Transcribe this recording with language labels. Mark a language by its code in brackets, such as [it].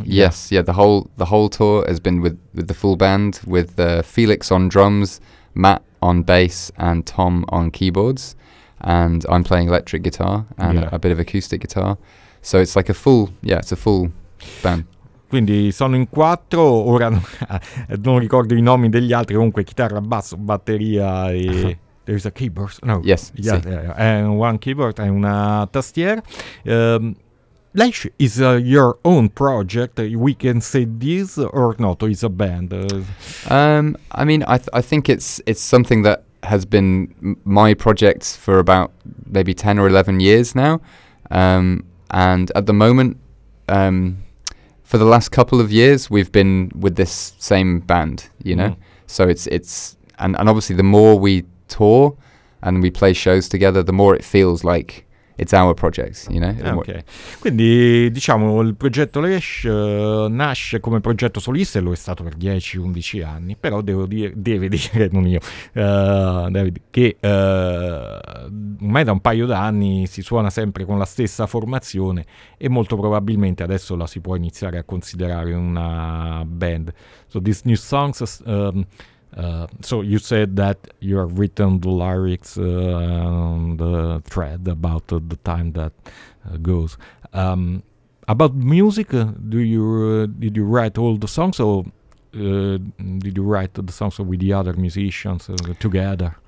[en] Yes, yeah. The whole tour has been with the full band, with Felix on drums, Matt on bass and Tom on keyboards, and I'm playing electric guitar and a bit of acoustic guitar, so it's like a full, yeah, it's a full band. [it] Quindi sono in quattro, ora non ricordo i nomi degli altri, comunque chitarra, basso, batteria e [en] there's a keyboard, no, yes, yeah, and one keyboard and [it] una tastiera. [en] Lash is your own project, we can say this or not, or is a band? I mean, I think it's something that has been my project for about maybe 10 or 11 years now. And at the moment, for the last couple of years, we've been with this same band, you know? Mm. So it's and obviously the more we tour and we play shows together, the more it feels like it's our project, you know? [it] Ok, quindi diciamo il progetto Lash nasce come progetto solista e lo è stato per 10-11 anni, però ormai da un paio d'anni si suona sempre con la stessa formazione e molto probabilmente adesso la si può iniziare a considerare una band. [en] So these new songs... So you said that you have written the lyrics on the thread about the time that goes. About music, did you write all the songs, or did you write the songs with the other musicians together?